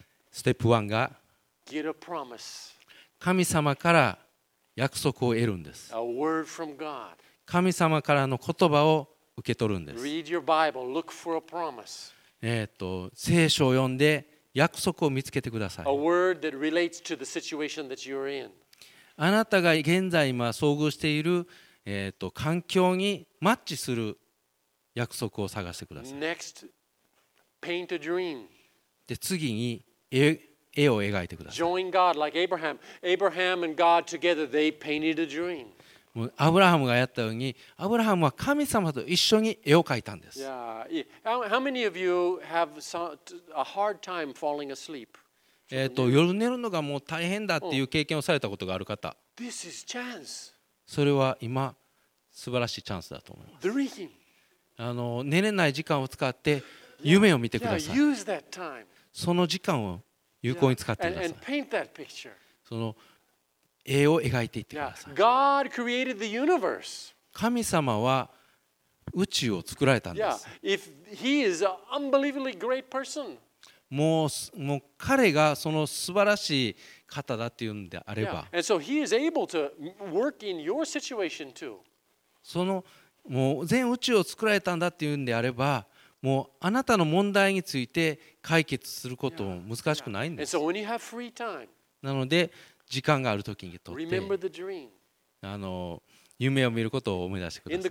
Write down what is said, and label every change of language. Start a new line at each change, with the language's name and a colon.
Japanese: ステップ1が
English: Get a promise.
Japanese: 神様から約束を得るんです。
English: A word from God.
Japanese: 神様からの言葉を受け取るんです。
English: Read your Bible, look for a promise.
Japanese: 聖書を読んで約束を見つけてください。
English: A word that relates to the situation that you're in.
Japanese: あなたが現在今遭遇している、環境にマッチする約束を探してください。
English: Next, paint a dream.
Japanese: で次に絵を描いてください。
English: Join God like Abraham. Abraham and God together, they painted a dream.
Japanese: アブラハムがやったように、アブラハムは神様と一緒に絵を描いたんです。
English: How many of you have a hard time falling asleep?
Japanese: 夜寝るのがもう大変だっていう経験をされたことがある方。
English: This is chance.
Japanese: それは今素晴らしいチャンスだと思います。
English: Dream.
Japanese: 寝れない時間を使って夢を見てください。
English: Use that time.
Japanese: その時間を有効に使ってください。
English: And paint that picture.
Japanese: その絵を描いていってください。
English: God created the universe.
Japanese: 神様は宇宙を作られたんです。
English: Yeah. If he is an unbelievably great person.
Japanese: もう彼がその素晴らしい方だっていうんであれば。
English: Yeah. And so he is able to work in your situation too.
Japanese: そのもう全宇宙を作られたんだっていうんであれば、もうあなたの問題について解決することも難しくないんです。
English: Yeah. And so when you have free time.
Japanese: なので時間があるときにとって夢を見ることを思い出してください。